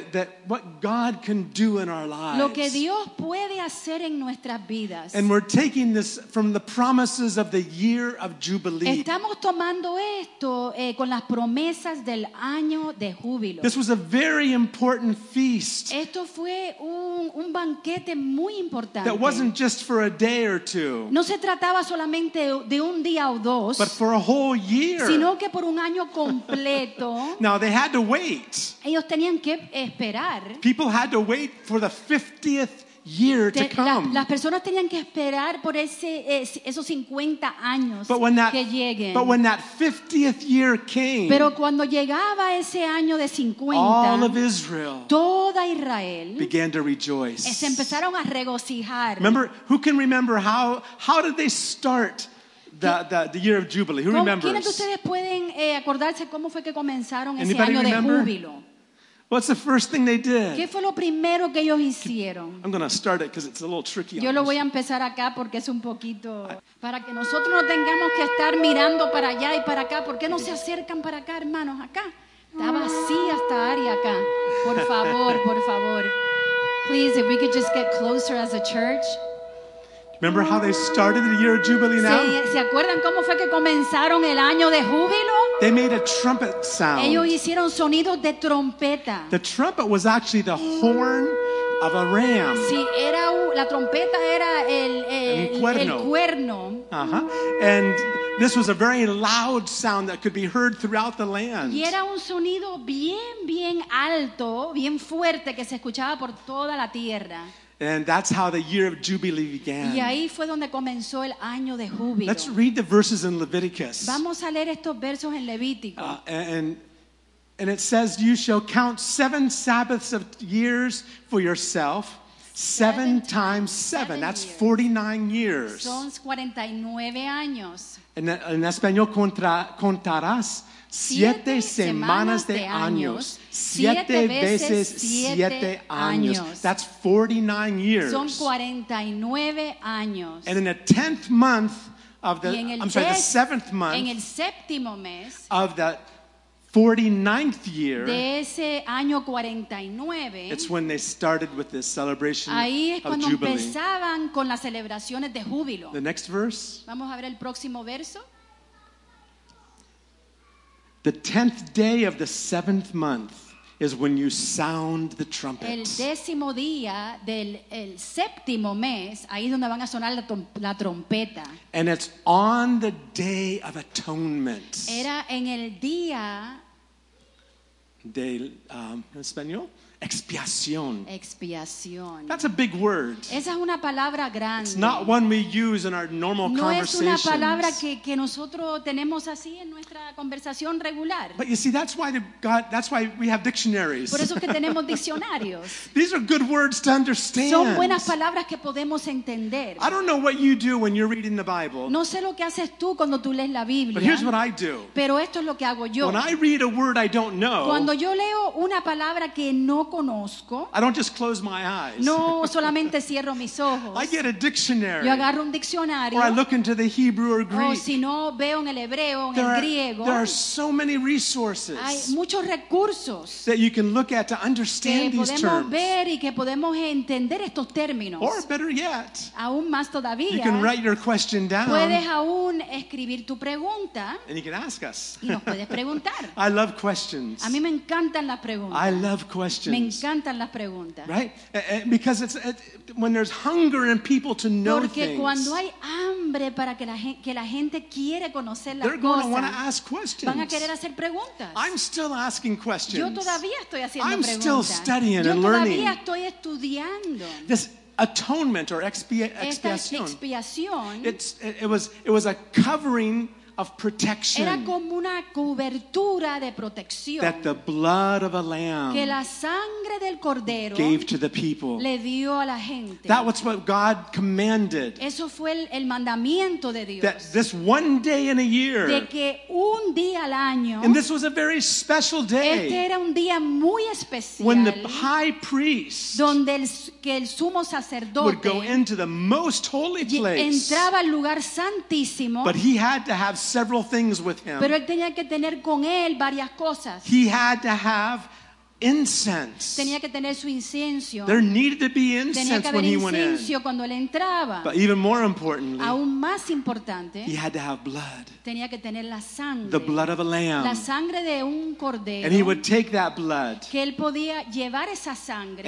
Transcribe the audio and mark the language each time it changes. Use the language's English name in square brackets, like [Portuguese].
[English] That what God can do in our lives. [Spanish] Lo que Dios puede hacer en nuestras vidas. [English] And we're taking this from the promises of the year of Jubilee. [Spanish] Estamos tomando esto con las promesas del año de júbilo. [English] This was a very important feast. [Spanish] Esto fue un banquete muy importante. [English] That wasn't just for a day or two. [Spanish] No se trataba solamente de un día o dos. [English] For a whole year. [Spanish] Sino que por un año completo. [English] Now they had to wait. [Spanish] Ellos tenían que esperar. [English] People had to wait for the 50th year to come. [Spanish] Las personas tenían que esperar por esos 50 años que lleguen. [English] But when that 50th year came, [Spanish] pero cuando llegaba ese año de 50, [English] all of Israel, [Spanish] toda Israel, [English] began to rejoice. [Spanish] Se empezaron a regocijar. [English] Remember, who can remember how did they start the year of Jubilee? Who remembers? [Spanish] ¿Quiénes de ustedes pueden acordarse cómo fue que comenzaron ese año de júbilo? [English] What's the first thing they did? [Spanish] ¿Qué fue lo primero que ellos hicieron? [English] I'm going to start it because it's a little tricky. [Spanish] Yo lo voy a empezar acá porque es un poquito para que nosotros no tengamos que estar mirando para allá y para acá. ¿Por qué no se acercan para acá, hermanos? Acá está vacía esta área acá. Por favor, por favor. [English] Please, if we could just get closer as a church. Remember how they started the year of Jubilee now? [Spanish] ¿Se acuerdan cómo fue que comenzaron el año de júbilo? [English] They made a trumpet sound. [Spanish] Ellos hicieron sonidos de trompeta. [English] The trumpet was actually the horn of a ram. [Spanish] Sí, la trompeta era el cuerno. Uh-huh. [English] And this was a very loud sound that could be heard throughout the land. [Spanish] Y era un sonido bien, bien alto, bien fuerte, que se escuchaba por toda la tierra. [English] And that's how the year of Jubilee began. [Spanish] Y ahí fue donde comenzó el año de júbilo. [English] Let's read the verses in Leviticus. [Spanish] Vamos a leer estos versos en Levítico. [English] And it says, you shall count seven Sabbaths of years for yourself. Seven times seven. That's 49 years. [Spanish] Son 49 años. En español contarás siete semanas de años. Siete veces siete años. [English] That's 49 years. [Spanish] Son 49 años. [English] And in the 10th month of the seventh month [Spanish] en el séptimo mes [English] of the 49th year, [Spanish] de ese año 49, [English] it's when they started with this celebration of Jubilee. [Spanish] Ahí es cuando empezaban con las celebraciones de júbilo. [English] The next verse. [Spanish] Vamos a ver el próximo verso. [English] The 10th day of the 7th month is when you sound the trumpet. [Spanish] El décimo día del séptimo mes, ahí es donde van a sonar la trompeta. [English] And it's on the Day of Atonement. [Spanish] Era en el día del en español, expiación. Expiación. [English] That's a big word. [Spanish] Esa es una palabra grande. [English] It's not one we use in our normal conversations. [Spanish] No es una palabra que nosotros tenemos así en nuestra conversación regular. [English] But you see, that's why we have dictionaries. [Spanish] Por eso es que tenemos diccionarios. [English] These are good words to understand. [Spanish] Son buenas palabras que podemos entender. [English] I don't know what you do when you're reading the Bible. [Spanish] No sé lo que haces tú cuando tú lees la Biblia. [English] But here's what I do. [Spanish] Pero esto es lo que hago yo. [English] When I read a word I don't know. [Spanish] Cuando yo leo una palabra que no conozco, [English] I don't just close my eyes. [Spanish] No solamente cierro mis ojos. [English] I get a dictionary. [Spanish] Yo agarro un diccionario. [English] Or I look into the Hebrew or Greek. [Spanish] O si no, veo en el hebreo, en el griego. [English] There are so many resources. [Spanish] Hay muchos recursos [English] that you can look at to understand these terms. [Spanish] Que podemos ver y que podemos entender estos términos. [English] Or better yet, [Spanish] aún más todavía, [English] you can write your question down. [Spanish] Puedes aún escribir tu pregunta. [English] And you can ask us. [Spanish] Y nos puedes preguntar. [English] I love questions. [Spanish] A mí me encantan las preguntas. [English] I love questions. [Spanish] Me encantan las preguntas. [English] Right? Because when there's hunger in people to know [Spanish] porque [English] things, [Spanish] cuando hay hambre para que la gente quiere conocer las [English] they're they're going to want to ask questions. [Spanish] Van a querer hacer preguntas. [English] I'm still asking questions. [Spanish] Yo todavía estoy haciendo [English] I'm [Spanish] preguntas. [English] I'm still studying [Spanish] yo [English] and [Spanish] todavía [English] learning. [Spanish] Todavía estoy estudiando. [English] This atonement or [Spanish] expiación. [English] It was a covering of protection. [Spanish] Era como una cobertura de protección [English] that the blood of a lamb [Spanish] que la sangre del cordero [English] gave to the people. [Spanish] Le dio a la gente. [English] That was what God commanded. [Spanish] Eso fue el mandamiento de Dios. [English] That this one day in a year. [Spanish] De que un día al año. [English] And this was a very special day. [Spanish] Este era un día muy especial. [English] When the high priest [Spanish] donde el sumo sacerdote [English] would go into the most holy place. [Spanish] Entraba al lugar santísimo. [English] But he had to have several things with him. [Spanish] Pero él tenía que tener con él varias cosas. [English] He had to have incense. [Spanish] Tenía que tener su incienso. [English] There needed to be incense when he went in. [Spanish] Cuando él entraba. [English] But even more importantly, [Spanish] aún más importante, [English] he had to have blood. [Spanish] Tenía que tener la sangre. [English] The blood of a lamb. [Spanish] La sangre de un cordero. [English] And he would take that blood. [Spanish] Que él podía llevar esa sangre.